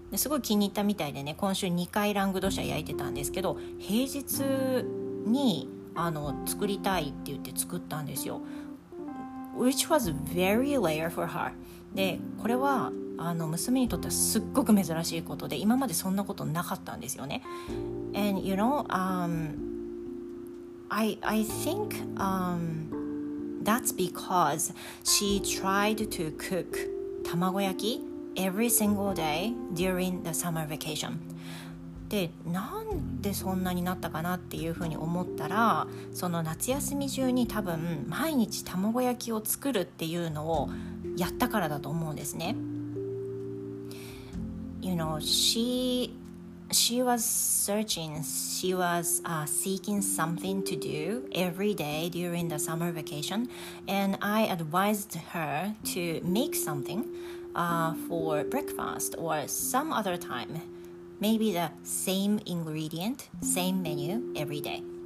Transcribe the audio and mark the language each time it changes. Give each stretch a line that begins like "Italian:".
Japanese: すごい気に入ったみたいでね、今週2回ラングドシャ焼いてたんですけど、平日に作りたいって言って作ったんですよ。
English: Which was very rare for her.
Japanese: で、これは娘にとってはすっごく珍しいことで、今までそんなことなかったんですよね。
English: And you know, I think that's because she tried to cook 卵焼き every single day during the summer vacation.
Japanese: で、なんでそんなになったかなっていうふうに思ったら、その夏休み中に多分毎日卵焼きを作るっていうのをやったからだと思うんですね。
English: You know, she was searching, she was seeking something to do every day during the summer vacation, and I advised her to make something for breakfast or some other timeMaybe the same ingredient, same menu every day.